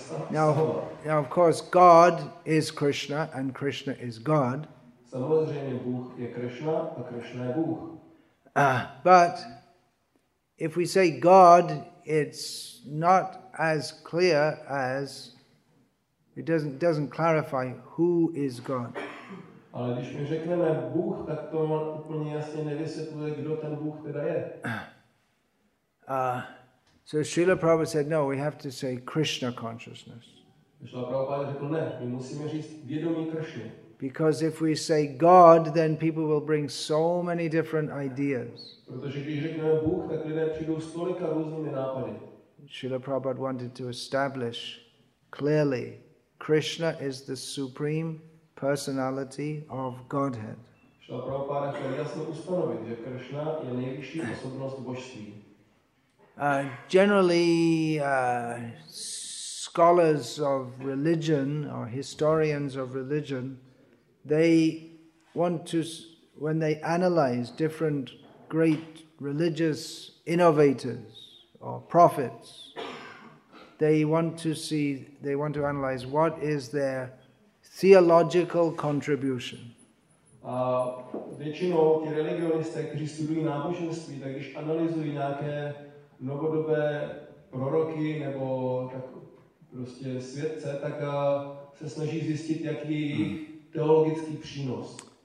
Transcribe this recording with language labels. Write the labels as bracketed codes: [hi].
[en] Now, of course, God is Krishna, and Krishna is God. [cs] Samozřejmě Bůh je Krishna a Krishna je Bůh. [en] But if we say God, it's not as clear as it doesn't clarify who is God. [cs] Ale když my řekneme Bůh, tak to úplně jasně nevysvětluje, kdo ten Bůh teda je. [en] So Srila Prabhupada said, no, we have to say Krishna consciousness. [cs] Srila Prabhupada řekl, ne, my musíme říct vědomí Krishna. [en] Because if we say God, then people will bring so many different ideas. [cs] Protože když řekneme Bůh, tak lidé přijdou s tolika různými nápady. [en] Srila Prabhupada wanted to establish clearly, Krishna is the supreme personality of Godhead. [cs] Srila Prabhupada chtěl jasně ustanovit, že Krishna je nejvyšší osobnost božství. [en] Generally, scholars of religion or historians of religion, they want to, when they analyze different great religious innovators or prophets, they want to analyze what is their theological contribution. [cs] Většinou ti religionisté, kteří studují náboženství, tak když analyzují nějaké novodobé proroky nebo tak prostě světce, tak se snaží zjistit, jaký je jejich teologický přínos.